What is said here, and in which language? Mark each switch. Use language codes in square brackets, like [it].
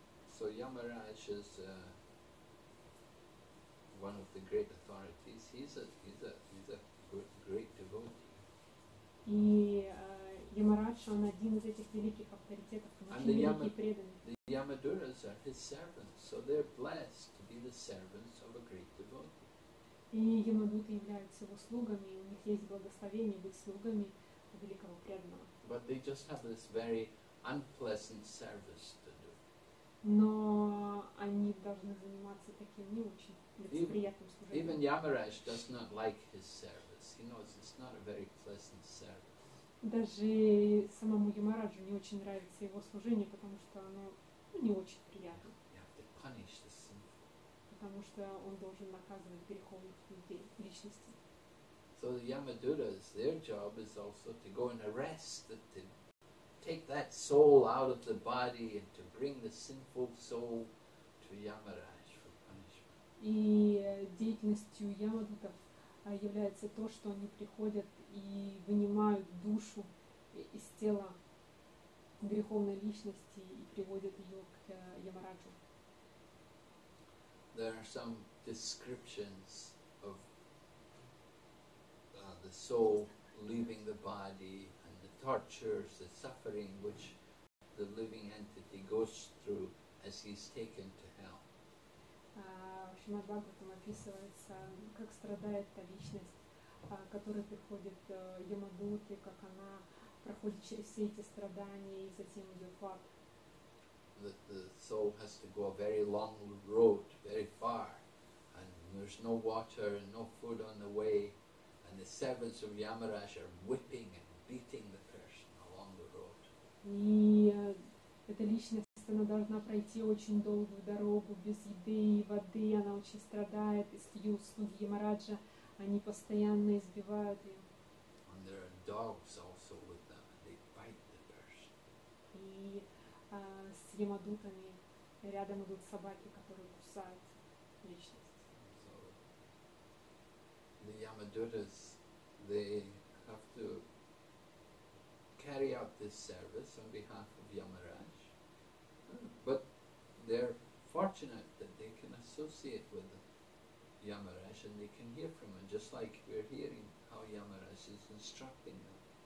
[en] So Yamaraj is one of the great authorities. He's a great devotee. [ru] И Ямарадж, он один из этих великих авторитетов, он очень великий и преданный. [en] The Yamaduras are his servants, so they're blessed to be the servants of a great devotee. [ru] И Ямадуты являются его слугами, и у них есть благословение быть слугами великого преданного. [en] But they just have this very unpleasant service to do. [ru] Но они должны заниматься таким не очень лицеприятным служением. [en] Even Yamaraj does not like his service. He knows it's not a very pleasant service. [ru] Даже самому Ямараджу не очень нравится его служение, потому что оно не очень приятно. [en] You have to punish the sinful. [ru] Потому что он должен наказывать греховных людей, личности. [en] So the Yamaduras, their job is also to go and arrest, to take that soul out of the body and to bring the sinful soul to Yamaraj for punishment. [ru] И деятельностью Ямадутов является то, что они приходят и вынимают душу из тела греховной личности и приводят ее к Ямараджу. [en] There are some descriptions of the soul leaving the body and the tortures, the suffering which the living entity goes through as he's taken to hell. [ru] Шримад Бхагаватам описывается, как страдает та личность, которая приходит в Ямадуте, как она проходит через все эти страдания и затем идет в ад. [en] The soul has to go a very long road, very far, and there's no water and no food on the way, and the servants of Yamaraj are whipping and beating the person along the road. [ru] И эта личность, она должна пройти очень долгую дорогу без еды и воды, она очень страдает, и слуги Ямараджа, они постоянно избивают ее. [en] And there are dogs also with them, and they bite the person. [ru] И с ямадутами рядом идут собаки, которые кусают личность. [en] So, the Yamadutas, they have to carry out this service on behalf of Yamaraj, but they're fortunate that they can associate with Yamaraj and they can hear from him, just like we're hearing how Yamaraj is instructing them.